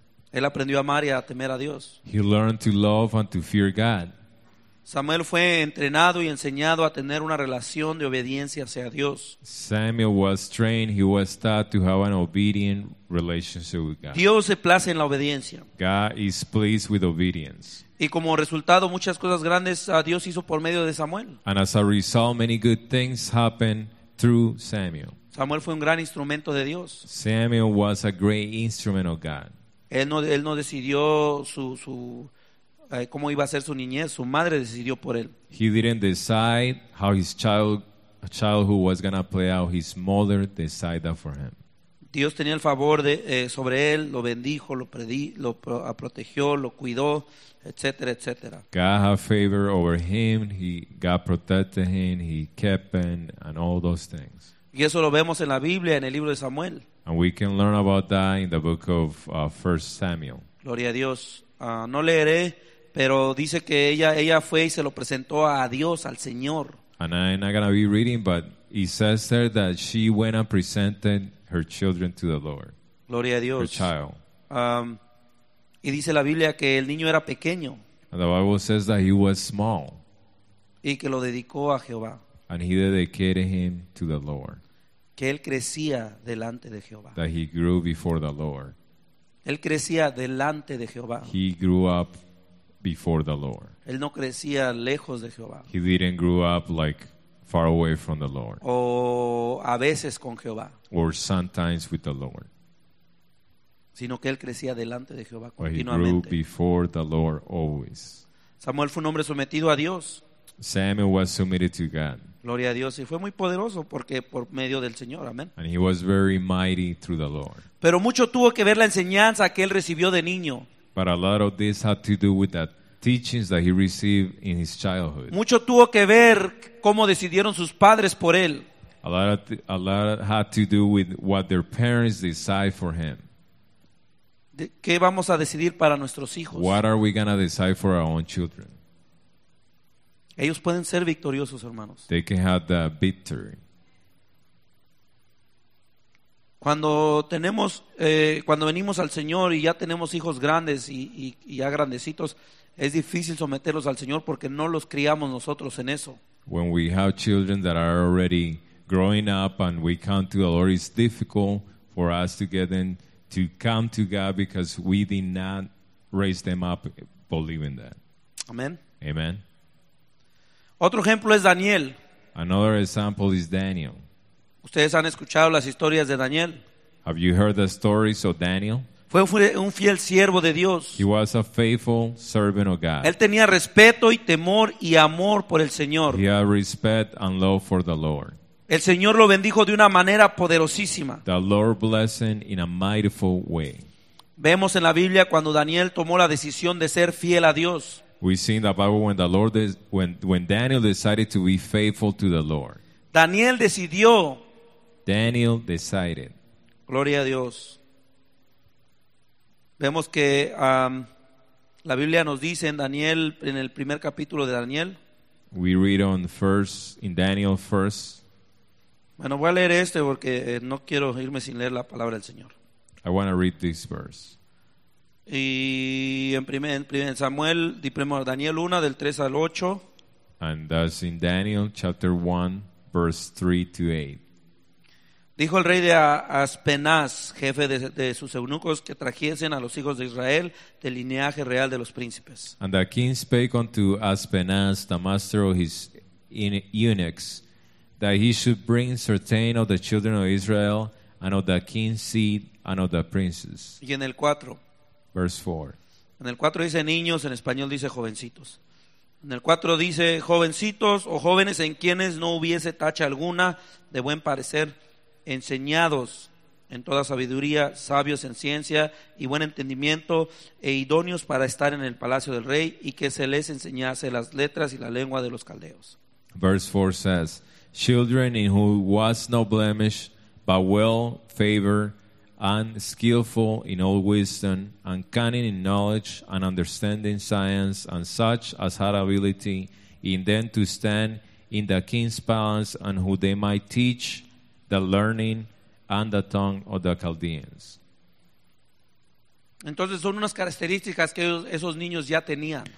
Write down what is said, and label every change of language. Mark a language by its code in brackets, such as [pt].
[es] Él aprendió a amar y a temer a Dios. [en] He learned to love and to fear God. [es] Samuel fue entrenado y enseñado a tener una relación de obediencia hacia Dios. [en] Samuel was trained, he was taught to have an obedient relationship with God. [es] Dios se place en la obediencia. [en] God is pleased with obedience. [es] Y como resultado, muchas cosas grandes Dios hizo por medio de Samuel. [en] And as a result, many good things happened through Samuel. [es] Samuel fue un gran instrumento de Dios. [en] Samuel was a great instrument of God. [es] Él no decidió su cómo iba a ser su niñez. Su madre decidió por él. [en] He didn't decide how his childhood was going to play out. His mother decided that for him. [es] Dios tenía el favor de sobre él, lo bendijo, lo protegió, lo cuidó, etcétera, etcétera. [en] God had favor over him, God protected him, he kept him, and all those things. [es] Y eso lo vemos en la Biblia, en el libro de Samuel. [en] And we can learn about that in the book of 1 Samuel. [es] Gloria a Dios. No leeré, pero dice que ella fue y se lo presentó a Dios, al Señor. [en] And I'm not going to be reading, but it says there that she went and presented her children to the Lord. [es] Gloria a Dios. [en] Her child. [es] Y dice la Biblia que el niño era pequeño. [en] And the Bible says that he was small. [es] Y que lo dedicó a Jehová. [en] And he dedicated him to the Lord. [es] Que él crecía delante de Jehová. [en] That he grew before the Lord. [es] Él crecía delante de Jehová. [en] He grew up before the Lord. [es] Él no crecía lejos de Jehová. [en] He didn't grow up like far away from the Lord. [es] O a veces con Jehová. [en] Or sometimes with the Lord. [es] Sino que él crecía delante de Jehová continuamente. [en] But he grew before the Lord always. [es] Samuel fue un hombre sometido a Dios. [en] Samuel was submitted to God. [es] Gloria a Dios, y fue muy poderoso porque por medio del Señor, amén. [en] And he was very mighty through the Lord. [es] Pero mucho tuvo que ver la enseñanza que él recibió de niño. [en] But a lot of this had to do with the teachings that he received in his childhood. [es] Mucho tuvo que ver cómo decidieron sus padres por él. [en] A lot had to do with what their parents decide for him. [es] ¿Qué vamos a decidir para nuestros hijos? [en] What are we gonna decide for our own children? [es] Ellos pueden ser victoriosos, hermanos. [en] They can have the victory. [es] Cuando venimos al Señor y ya tenemos hijos grandes y ya grandecitos, es difícil someterlos al Señor porque no los criamos nosotros en eso. [en] When we have children that are already growing up and we come to the Lord, it's difficult for us to get them to come to God because we did not raise them up believing that. Amen. Amen. [es] Otro ejemplo es Daniel. [en] Another example is Daniel. [es] ¿Ustedes han escuchado las historias de Daniel? [en] Have you heard the stories of Daniel? [es] Fue un fiel siervo de Dios. [en] He was a faithful servant of God. [es] Él tenía respeto y temor y amor por el Señor. [en] He had respect and love for the Lord. [es] El Señor lo bendijo de una manera poderosísima. [en] The Lord blessed him in a mightiful way. [es] Vemos en la Biblia cuando Daniel tomó la decisión de ser fiel a Dios. [en] We see in the Bible when the Lord when Daniel decided to be faithful to the Lord. [es] Daniel decidió. [en] Daniel decided. [es] Gloria a Dios. Vemos que la Biblia nos dice en Daniel, en el primer capítulo de Daniel. [en] We read on first in Daniel first. [es] Bueno, voy a leer este porque no quiero irme sin leer la palabra del Señor. [en] I want to read this verse. [es] Y en Samuel, Daniel 1, del 3 al 8. [en] And that's in Daniel chapter 1, verse 3 to 8. [es] Dijo el rey de Aspenaz, jefe de sus eunucos, que trajesen a los hijos de Israel del linaje real de los príncipes. [en] And the king spake unto Aspenaz, the master of his eunuchs, that he should bring certain of the children of Israel and of the king's seed and of the princes. [es] Y en el 4. [en] Verse 4. [es] En el 4 dice niños, en español dice jovencitos. En el 4 dice jovencitos o jóvenes en quienes no hubiese tacha alguna, de buen parecer, enseñados en toda sabiduría, sabios en ciencia y buen entendimiento e idóneos para estar en el palacio del rey y que se les enseñase las letras y la lengua de los caldeos. [en] Verse 4 says, children in whom was no blemish, but well favored, and skillful in all wisdom, and cunning in knowledge, and understanding science, and such as had ability in them to stand in the king's palace, and who they might teach the learning and the tongue of the Chaldeans. [es] Entonces son unas características que esos niños ya tenían.